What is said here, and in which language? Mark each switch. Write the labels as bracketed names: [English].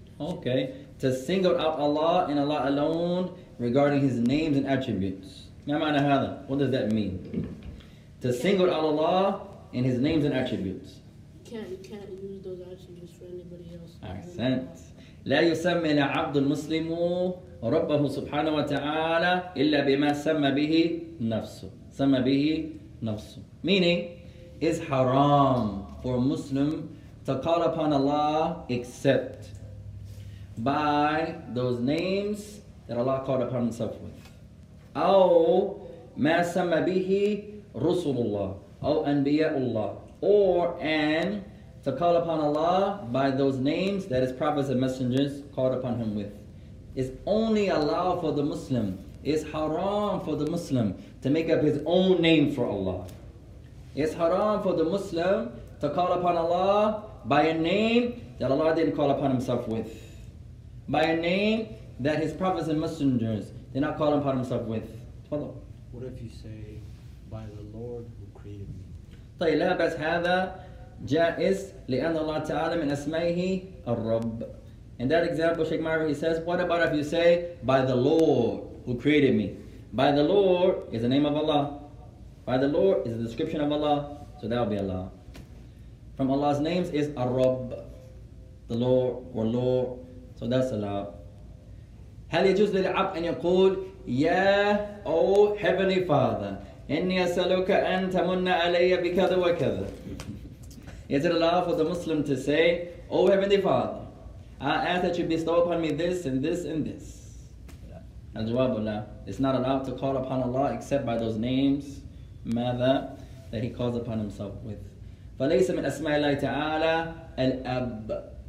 [English] Okay. To single out Allah and Allah alone regarding His names and attributes. [Arabic] ما معنى هذا? [English] What does that mean? To single out Allah and His names and attributes. You can't use those attributes for anybody else. [Arabic] أحسنت. لا يسمى عبد المسلم ربه سبحانه وتعالى إلا بما سمى به نفسه. سمى به نفسه. [English] Meaning, it's haram for a Muslim to call upon Allah except by those names that Allah called upon himself with. [Arabic] أو ما سمى به رسول الله. أو أنبياء الله. [English] Or, and to call upon Allah by those names that His prophets and messengers called upon Him with. It's only allowed for the Muslim. It's haram for the Muslim to make up his own name for Allah. It's haram for the Muslim to call upon Allah by a name that Allah didn't call upon himself with. By a name that His prophets and messengers did not call upon himself with. Follow. What if you say, by the Lord who created me? [Arabic] طيب لا بس هذا جائز لأن الله تعالى من أسمائه الرب. [English] In that example, Sheikh Marvin, he says, what about if you say, by the Lord who created me? By the Lord is the name of Allah. By the Lord is the description of Allah. So that will be Allah. From Allah's names is Ar-Rabb, the Lord, or Lord. So that's Allah. [Arabic] هل يجوز للعبد أن يقول [English] Ya, O Heavenly Father, [Arabic] إني أسألك أن تمن علي بكذا وكذا. [English] Is it allowed for the Muslim to say, O Heavenly Father, I ask that you bestow upon me this and this and this? Al-Jawabullah, it's not allowed to call upon Allah except by those names, ماذا, that he calls upon himself with. [Arabic] فَلَيْسَ مِنْ أَسْمَاءِ اللَّهِ تَعَالَى الْأَبَّ.